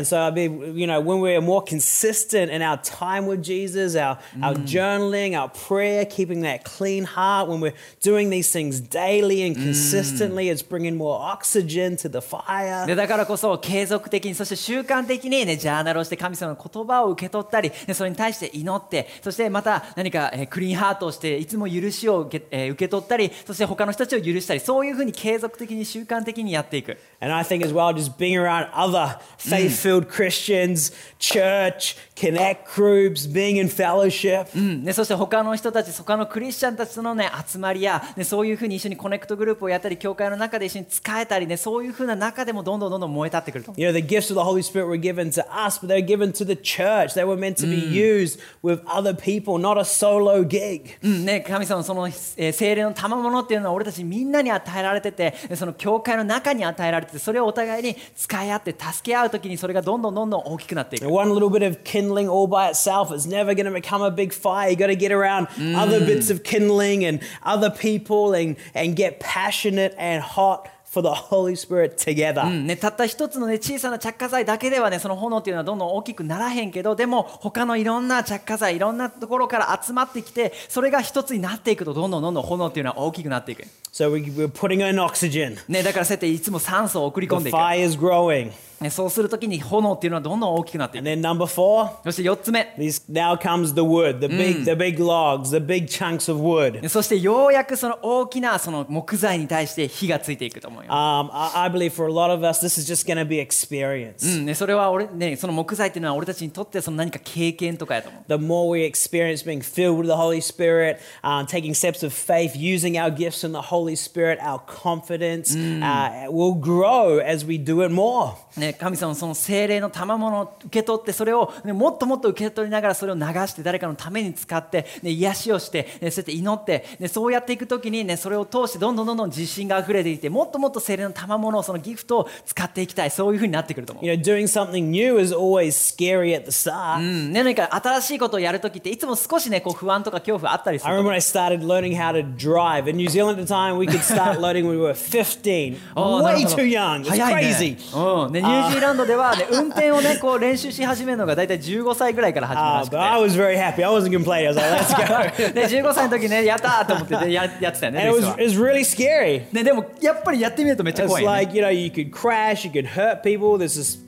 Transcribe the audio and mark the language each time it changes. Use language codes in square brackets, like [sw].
[en] And so I mean, you know, when we're more consistent in our time with Jesus, our journaling, our prayer, keeping that clean heart, when we're doing these things daily and consistently, it's bringing more oxygen to the fire. [ja] で、だからこそ継続的にそして習慣的にね、ジャーナルをして神様の言葉を受け取ってそれに対して祈ってそしてまた何か、クリーンハートをしていつも許しを受け取ったりそして他の人たちを許したりそういうふうに継続的に習慣的にやっていく。 [en] And I think as well just being around other faith-filled Christians, church, connect groups, being in fellowship、 [ja] うんね、そして他の人たち他のクリスチャンたちとの、ね、集まりや、ね、そういうふうに一緒にコネクトグループをやったり教会の中で一緒に使えたり、ね、そういうふうな中でもどんどんどんどん燃え立ってくると。 [en] You know the gifts of the Holy Spirit were given to us but they were given to the church. They wereMeant to be used with other people, not a solo gig. [ja] ね、神様その聖霊の賜物っていうのは俺たちみんなに与えられてて、その教会の中に与えられてて、それをお互いに使い合って助け合うときにそれがどんどんどんどん大きくなっていく。 [en] One little bit of kindling all by itself is never going to become a big fire. You got to get around other bits of kindling and other people and get passionate and hot. For the Holy Spirit together. [ja] うんね、たった一つの、ね、小さな着火剤だけでは、ね、その炎っていうのはどんどん大きくならへんけどでも他のいろんな着火剤いろんなところから集まってきてそれが一つになっていくとどんどんどんどん炎っていうのは大きくなっていく。 [en] So we're putting in oxygen.、 [ja] ね、だからそうやっていつも酸素を送り込んでいく。 [en] The fire is growing. [ja] そうするときに炎っていうのはどんどん大きくなっていく。 [en] And then number four, [ja] そして4つ目 [en] this, now comes the wood, the big,、うん、the big logs, the big chunks of wood. [ja] そしてようやくその大きなその木材に対して火がついていくと思うよ。 [en] I believe for a lot of us this is just going to be experience、 [ja] うんね、それは俺、ね、その木材っていうのは俺たちにとってその何か経験とかやと思う。 [en] The more we experience being filled with the Holy Spirit、taking steps of faith, using our gifts in the Holy Spirit, our confidence、うん will grow as we do it more. [ja] ね、神様その聖霊の賜物を受け取ってそれを、ね、もっともっと受け取りながらそれを流して誰かのために使って、ね、癒しをして、ね、そうやって祈って、ね、そうやっていくときに、ね、それを通してどんどんどんどん自信が溢れていてもっともっと聖霊の賜物をそのギフトを使っていきたいそういうふうになってくると思う。 [en] You know, doing something new is always scary at the start. [ja] うん、ね、何か新しいことをやるときっていつも少しねこう不安とか恐怖あったりする。 [en] I remember I started learning how to drive in New Zealand at the time we could start learning when we were 15 way too young. It's crazy. [ja] 早いね。うん、ねニュージーランドではね運転をねこう練習し始めるのがだいたい15歳ぐらいから始めました。 [en] But I was very happy. I wasn't complaining. I was like, let's go. [ja] で15歳の時ねやったーと思ってやってたね。 [en] And it was really scary. [ja] ねでもやっぱりやってみるとめっちゃ怖い、ね。 [en] It's like you know you could crash, you could hurt people. There's this is